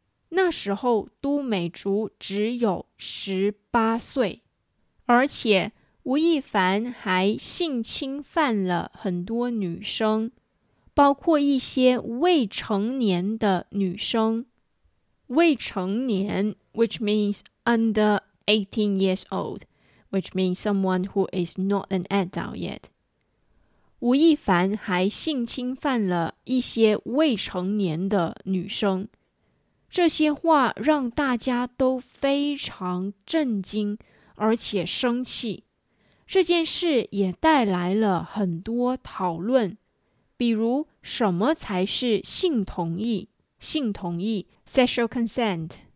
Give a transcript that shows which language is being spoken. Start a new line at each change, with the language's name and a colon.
Chinese: 那时候都美竹只有18岁，而且吴亦凡还性侵犯了很多女生，包括一些未成年的女生。
English: 未成年 which means under 18 years old， which means someone who is not an adult yet。
Chinese: 吴亦凡还性侵犯了一些未成年的女生，这些话让大家都非常震惊而且生气。这件事也带来了很多讨论，比如什么才是性同意，性同意 sexual consent。